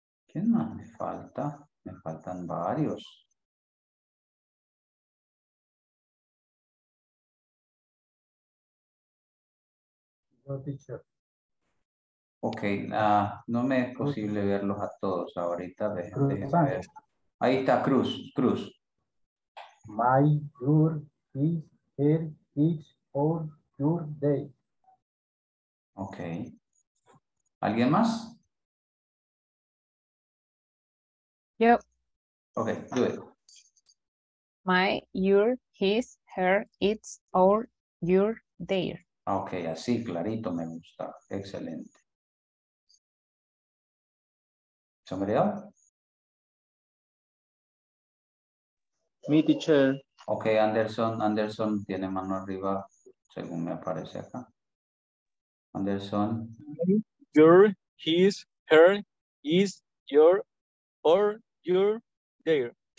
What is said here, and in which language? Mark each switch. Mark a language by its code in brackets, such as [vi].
[es] ¿Quién más me falta? Me faltan varios. Ok, no me es posible verlos a todos ahorita. Ahí está, Cruz. [en] My, your, his, her, his, or your day. [es] Ok. ¿Alguien más? Yo. [en] Ok, do it. My, your, his, her, its, or your, their. [es] Ok, así clarito me gusta. Excelente. [en] ¿Somebody else? Me, teacher. [es] Ok, Anderson tiene mano arriba, según me aparece acá. Anderson. [en] Your, his, her, is, your, or, your, there.